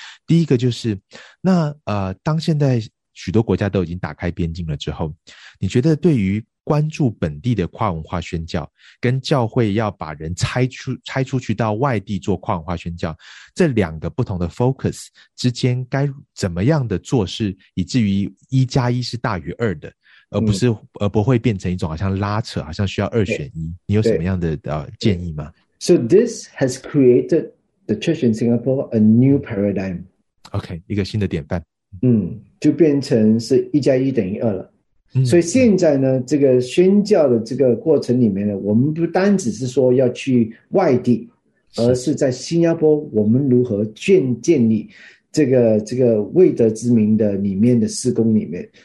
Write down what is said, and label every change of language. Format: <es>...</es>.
<zh>第一个就是，那当现在许多国家都已经打开边境了之后，你觉得对于关注本地的跨文化宣教，跟教会要把人拆出去到外地做跨文化宣教，这两个不同的 focus 之间该怎么样的做事，以至于一加一是大于二的，而不会变成一种好像拉扯，好像需要二选一。你有什么样的建议吗？</zh> <en>So this has created the church in Singapore a new paradigm.</en> <zh>OK， 一个新的典范。就变成是一加一等于二了。所以现在呢，这个宣教的这个过程里面呢，我们不单只是说要去外地，而是在新加坡我们如何建立这个未得之名的里面的事工里面，</zh>